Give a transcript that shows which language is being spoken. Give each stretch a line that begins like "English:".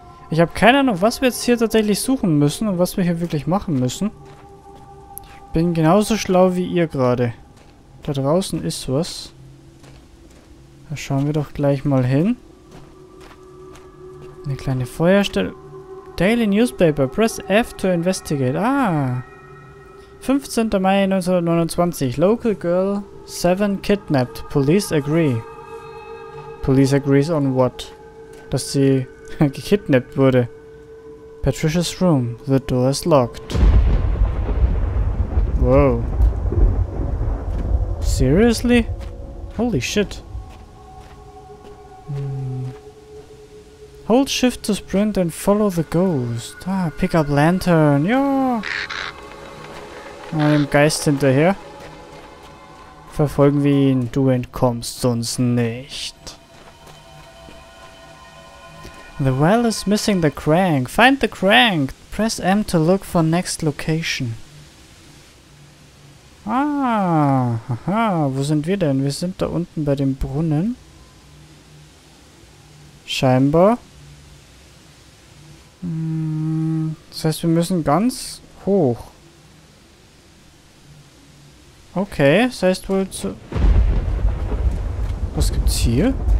German: Ich habe keine Ahnung, was wir jetzt hier tatsächlich suchen müssen und was wir hier wirklich machen müssen. Ich bin genauso schlau wie ihr gerade. Da draußen ist was. Da schauen wir doch gleich mal hin. Eine kleine Feuerstelle.
English: Daily Newspaper, press F to investigate.
German: Ah! 15. Mai 1929.
English: Local girl 7 kidnapped. Police agree. Police agrees on what?
German: Dass sie gekidnappt wurde.
English: Patricia's room. The door is locked. Wow. Seriously? Holy shit. Hold shift to sprint and follow the ghost. Ah, pick up lantern. Ja.
German: Einem Geist hinterher. Verfolgen wir ihn. Du entkommst uns nicht.
English: The well is missing the crank. Find the crank. Press M to look for next location.
German: Ah. Aha. Wo sind wir denn? Wir sind da unten bei dem Brunnen. Scheinbar. Das heißt, wir müssen ganz hoch. Okay, das heißt wohl zu... Was gibt's hier?